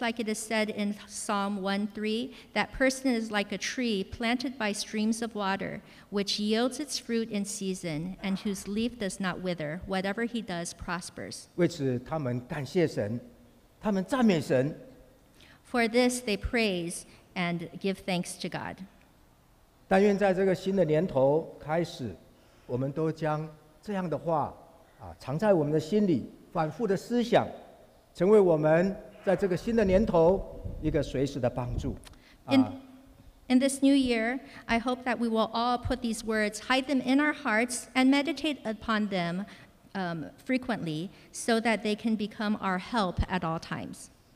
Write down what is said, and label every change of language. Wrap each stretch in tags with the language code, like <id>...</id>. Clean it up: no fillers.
<en>like it is said in Psalm 1:3, that person is like a tree planted by streams of water, which yields its fruit in season, and whose leaf does not wither. Whatever he does prospers.</en> <zh>为此，他们感谢神，他们赞美神。</zh> <en>For this, they praise and give thanks to God.</en> <zh>但愿在这个新的年头开始，我们都将这样的话藏在我们的心里，反复的思想，成为我们在这个新的年头一个随时的帮助。</zh> <en>In this new year, I hope that we will all put these words, hide them in our hearts, and meditate upon them frequently, so that they can become our help at all times.</en>